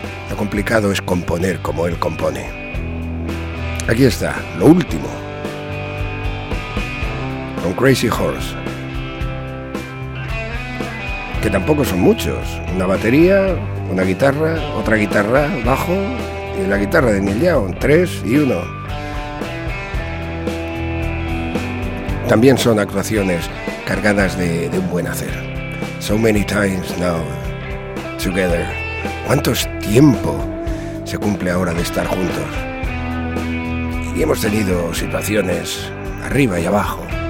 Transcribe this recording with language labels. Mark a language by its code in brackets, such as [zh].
[es] Lo complicado es componer como él compone. Aquí está, lo último, con Crazy Horse, que tampoco son muchos. Una batería, una guitarra, otra guitarra, bajo, y la guitarra de Neil Young, 3 y 1. También son actuaciones cargadas de un buen hacer. [en] So many times now, together. [es] ¿Cuánto tiempo se cumple ahora de estar juntos? Y hemos tenido situaciones arriba y abajo.